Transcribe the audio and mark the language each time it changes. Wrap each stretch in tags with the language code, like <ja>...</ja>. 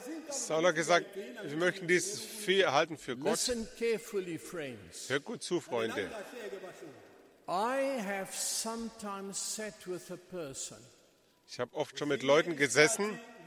<de>Saul hat gesagt, wir möchten dieses Vieh erhalten für Gott.</de> <en>Listen carefully, friends.</en> <de>Hör gut zu, Freunde.</de> <en>I have sometimes sat with a person.</en> <de>Ich habe oft schon mit Leuten gesessen,</de>